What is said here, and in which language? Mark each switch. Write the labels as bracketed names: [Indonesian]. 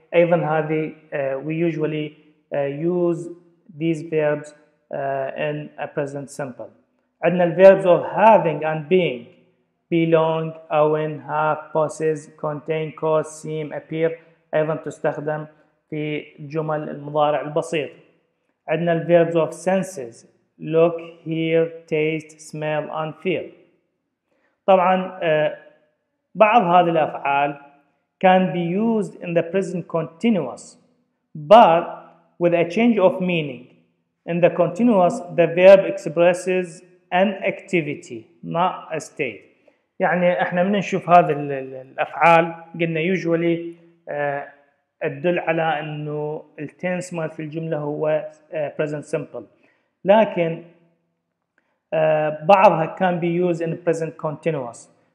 [Arabic] أيضا هذه [English] we usually use these verbs in a present simple. عندنا verbs of having and being: belong, own, have, possess, contain, cause, seem, appear. [Arabic] أيضا تستخدم في جمل المضارع البسيط. [English] عندنا verbs of senses: look, hear, taste, smell, and feel. [Arabic] طبعا بعض هذه الأفعال [English] can be used in the present continuous, but with a change of meaning. In the continuous, the verb expresses an activity, not a state. [Arabic] يعني احنا من نشوف هذه الافعال قلنا usually تدل على انه التنس ما في الجملة هو [English] present simple. [Arabic] لكن بعضها [English] can be used in present continuous.